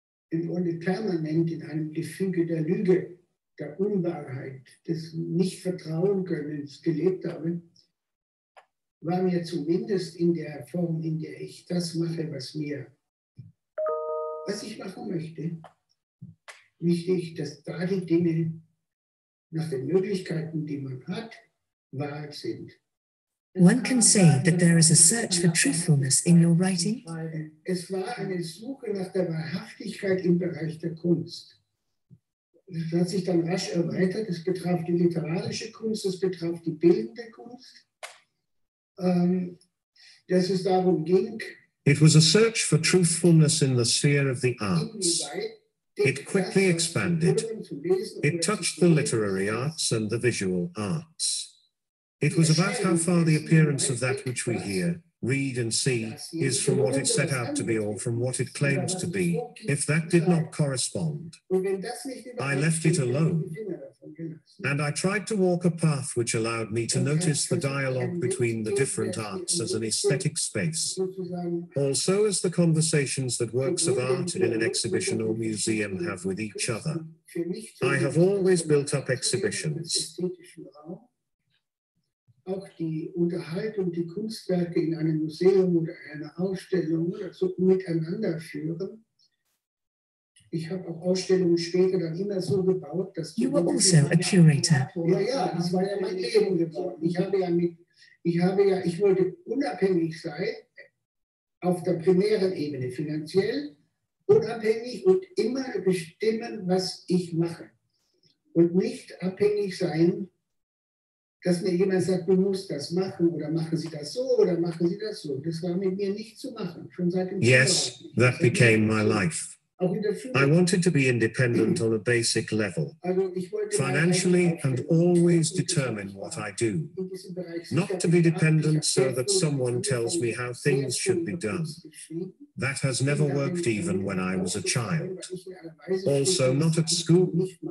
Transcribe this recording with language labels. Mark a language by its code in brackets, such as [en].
[de] Im Grunde permanent in einem Gefüge der Lüge, der Unwahrheit, des Nicht-Vertrauen-Könnens gelebt habe, war mir zumindest in der Form, in der ich das mache, was ich machen möchte, wichtig, dass da die Dinge nach den Möglichkeiten, die man hat, wahr sind. [en] One can say that there is a search for truthfulness in your writing. [de] Es war eine Suche nach der Wahrhaftigkeit im Bereich der Kunst. Es hat sich dann rasch erweitert. Es betraf die literarische Kunst, es betraf die bildende Kunst. Dass es darum ging. [en] It was a search for truthfulness in the sphere of the arts. It quickly expanded. It touched the literary arts and the visual arts. It was about how far the appearance of that which we hear, read and see is from what it set out to be or from what it claimed to be, if that did not correspond. I left it alone and I tried to walk a path which allowed me to notice the dialogue between the different arts as an aesthetic space, also as the conversations that works of art in an exhibition or museum have with each other. I have always built up exhibitions. [de] Auch die Unterhaltung, die Kunstwerke in einem Museum oder einer Ausstellung oder so miteinander führen. Ich habe auch Ausstellungen später dann immer so gebaut, dass du warst also [en] a curator. [de] Ja, das war ja mein Leben geworden. Ich wollte unabhängig sein auf der primären Ebene, finanziell unabhängig und immer bestimmen, was ich mache und nicht abhängig sein. Dass mir jemand sagt, du musst das machen, oder machen Sie das so, oder machen Sie das so. Das war mit mir nicht zu machen, schon seit dem [en] Yes, Jahr. That became my life. I wanted to be independent on a basic level, financially, and always determine what I do. Not to be dependent so that someone tells me how things should be done. That has never worked even when I was a child. Also, not at school.